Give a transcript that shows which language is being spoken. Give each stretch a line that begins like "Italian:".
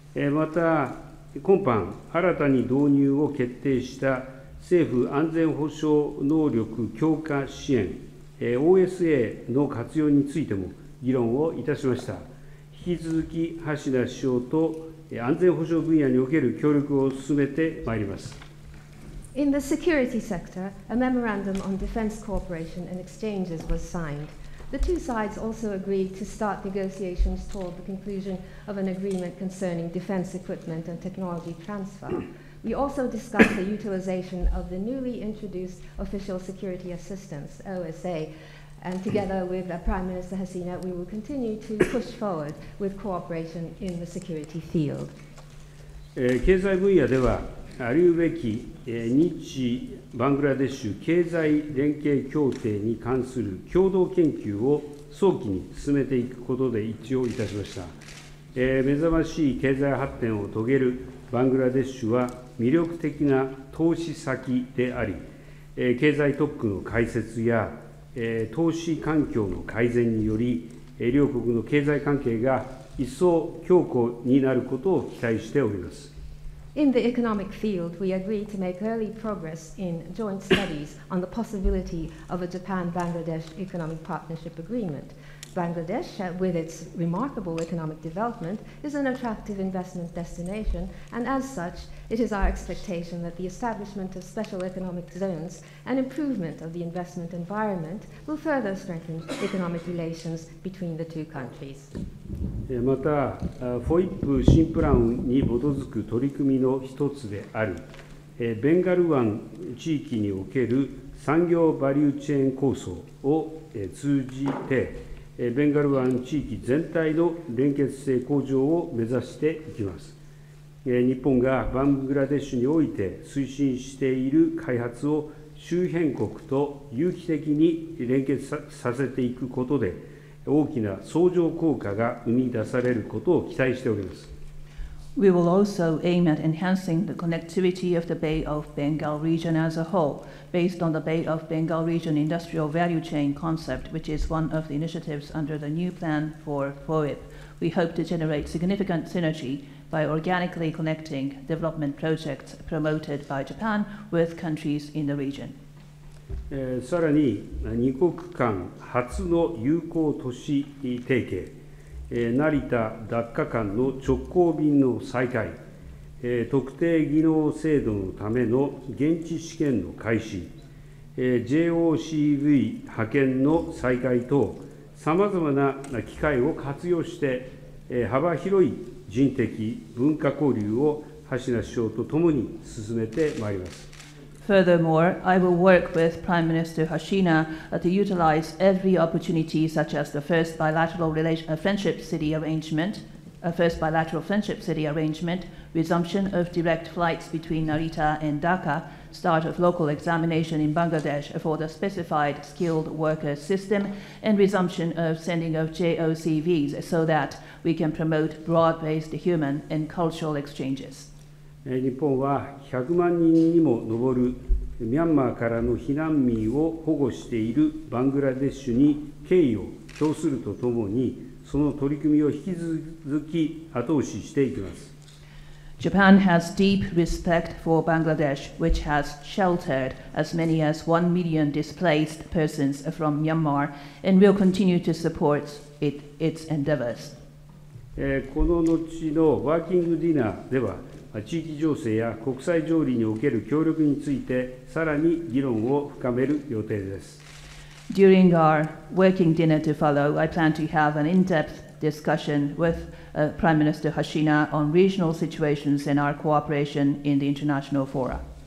Japanese: また今般新たに導入を決定した政府安全保障能力強化支援 OSA の活用についても議論をいたしました。引き続き橋名首相と安全保障分野における協力を進めてまいります。
English: In the security sector, a memorandum on defense cooperation and exchanges was signedThe two sides also agreed to start negotiations toward the conclusion of an agreement concerning defense equipment and technology transfer. We also discussed the utilization of the newly introduced Official Security Assistance, OSA, and together with Prime Minister Hasina, we will continue to push forward with cooperation in the security field.
Japanese: 経済分野では、ありうべき日バングラデシュ経済連携協定に関する共同研究を早期に進めていくことで一致をいたしました。目覚ましい経済発展を遂げるバングラデシュは魅力的な投資先であり、経済特区の開設や投資環境の改善により両国の経済関係が一層強固になることを期待しております。
English: In the economic field, we agreed to make early progress in joint studies on the possibility of a Japan-Bangladesh economic partnership agreement. Bangladesh, with its remarkable economic development, is an attractive investment destination, and as such, it is our expectation that the establishment of special economic zones and improvement of the investment environment will further strengthen economic relations between the two countries.
Japanese: また、FOIP 新プランに基づく取り組みの一つである、ベンガル湾地域における産業バリューチェーン構想を通じて、ベンガル湾地域全体の連結性向上を目指していきます。日本がバングラデシュにおいて推進している開発を周辺国と有機的に連結させていくことで大きな相乗効果が生み出されることを期待しております。
English: We will also aim at enhancing the connectivity of the Bay of Bengal region as a whole based on the Bay of Bengal region industrial value chain concept which is one of the initiatives under the new plan for FOIP. We hope to generate significant synergyby organically connecting development projects promoted by Japan with countries in the region.
Japanese: さらに二国間初の友好都市提携、成田ダッカ間の直行便の再開、特定技能制度のための現地試験の開始、JOCV 派遣の再開等、さまざまな機会を活用して、幅広い人的文化交流を橋名首相とともに進めてまいります。
English: Furthermore, I will work with Prime Minister Hashina to utilize every opportunity such as the first bilateral friendship city arrangement, a first bilateral friendship city arrangement, resumption of direct flights between Narita and Dhaka, start of local examination in Bangladesh for the specified skilled worker system, and resumption of sending of JOCVs so that we can promote broad-based human and cultural exchanges.
Japanese: 日本は100万人にも上るミャンマーからの避難民を保護しているバングラデシュに敬意を表するとともに、その取り組みを引き続き後押ししていきます。
English: Japan has deep respect for Bangladesh, which has sheltered as many as 1 million displaced persons from Myanmar, and will continue to support its endeavors.
Japanese: この後のワーキングディナーでは、地域情勢や国際条理における協力について、さらに議論を深める予定です。
English: During our working dinner to follow, I plan to have an in-depth discussion with Prime Minister Hashina on regional situations and our cooperation in the international fora.